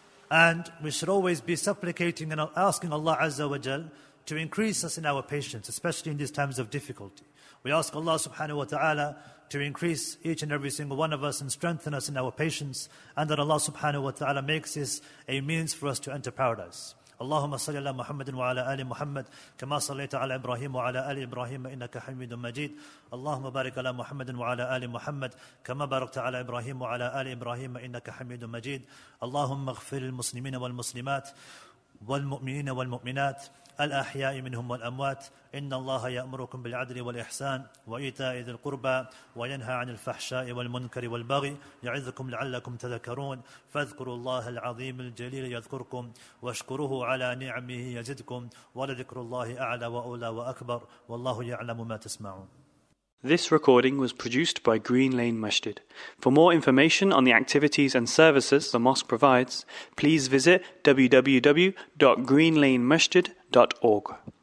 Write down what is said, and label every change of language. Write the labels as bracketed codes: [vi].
[en] And we should always be supplicating and asking Allah Azza wa Jal to increase us in our patience, especially in these times of difficulty. We ask Allah subhanahu wa ta'ala to increase each and every single one of us and strengthen us in our patience, and that Allah subhanahu wa ta'ala makes this a means for us to enter paradise. [ar] اللهم صل على محمد وعلى آل محمد كما صليت على إبراهيم وعلى آل إبراهيم إنك حميد مجيد اللهم بارك على محمد وعلى آل محمد كما باركت على إبراهيم وعلى آل إبراهيم إنك حميد مجيد اللهم اغفر للمسلمين والمسلمات والمؤمنين والمؤمنات الأحياء منهم والأموات إن الله يأمركم بالعدل والإحسان وإيتاء ذي القربى وينهى عن الفحشاء والمنكر والبغي يعظكم لعلكم تذكرون فاذكروا الله العظيم الجليل يذكركم واشكروه على نعمه يزدكم ولذكر الله أعلى وأولى وأكبر والله يعلم ما تسمعون. [en] This recording was produced by Green Lane Masjid. For more information on the activities and services the mosque provides, please visit www.greenlanemasjid.org.